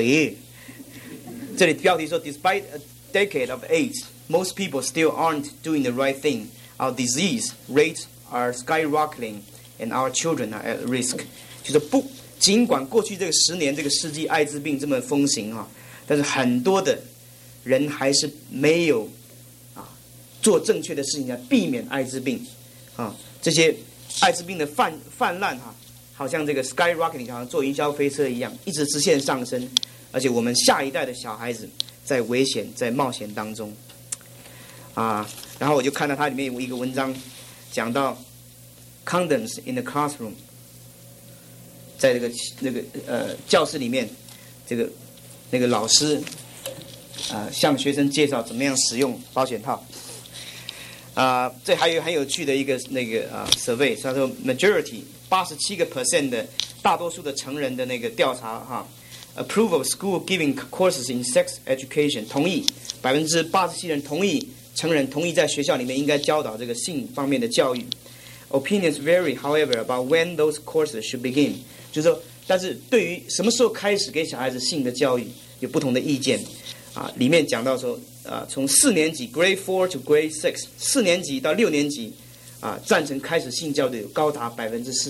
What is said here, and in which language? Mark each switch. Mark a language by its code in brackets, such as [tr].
[zh] 咦，这里标题说 [en] ，Despite a decade of AIDS, most people still aren't doing the right thing. Our disease rates are skyrocketing, and our children are at risk. [zh] 就是不。尽管过去这个十年这个世纪艾滋病这么风行啊，但是很多的人还是没有啊做正确的事情来避免艾滋病啊，这些艾滋病的泛滥啊，好像这个 skyrocketing， 好像坐云霄飞车一样一直直线上升，而且我们下一代的小孩子在危险在冒险当中啊。然后我就看到它里面有一个文章讲到 [en] condoms in the classroom， [zh] 在那个教室里面，这个那个老师向学生介绍怎么样使用保险套这还有很有趣的一个那个survey， 他说 majority 87% 的大多数的成人的那个调查哈 [en] approve of school giving courses in sex education， [zh] 同意87%人同意成人同意在学校里面应该教导这个性方面的教育。 [en] Opinions vary, however, about when those courses should begin. [zh] 就是说，但是对于什么时候开始给小孩子性的教育，有不同的意见。啊，里面讲到说，啊，从四年级 [en] (grade four to grade six) [zh] 四年级到六年级，啊，赞成开始性教育有高达43%。